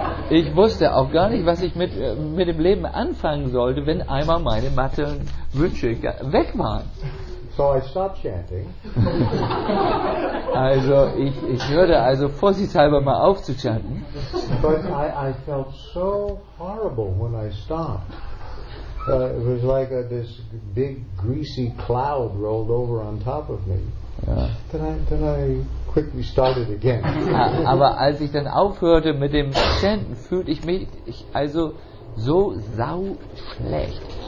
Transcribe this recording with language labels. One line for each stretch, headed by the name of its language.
German: Ich wusste auch gar nicht, was ich mit dem Leben anfangen sollte, wenn einmal meine materiellen Wünsche weg waren.
English: So I stopped chanting.
German: Also ich hörte also vorsichtshalber mal auf zu chanten.
English: But I felt so horrible when I stopped. It was like this big greasy cloud rolled over on top of me. Yeah. Then I quickly started again.
German: Aber als ich dann aufhörte mit dem Chanten, fühlte ich mich also so sau schlecht.